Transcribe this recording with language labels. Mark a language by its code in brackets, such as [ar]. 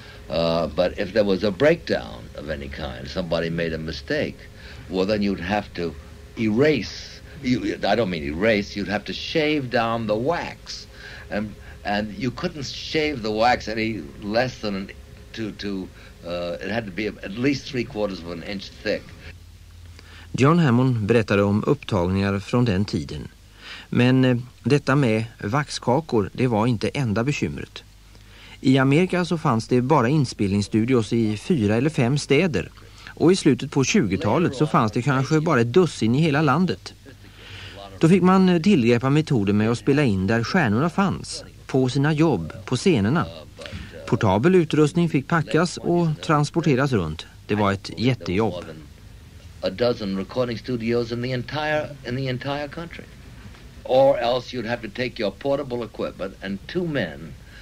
[en] But if there was a breakdown of any kind, somebody made a mistake, well, then you'd have to erase. You'd have to shave down the wax. And you couldn't shave the wax any less than it had to be at least 3/4 inch thick. [sv] John Hammond berättade om upptagningar från den tiden. Men detta med vaxkakor, det var inte enda bekymret. I Amerika så fanns det bara inspelningsstudios i 4 eller 5 städer. Och i slutet på 20-talet så fanns det kanske bara ett dussin i hela landet. Då fick man tillgripa metoder med att spela in där stjärnorna fanns. På sina jobb, på scenerna. Portabel utrustning fick packas och transporteras runt. Det var ett jättejobb. [en] A dozen recording studios in the entire country. Or else you'd have to take your portable equipment and 2 men...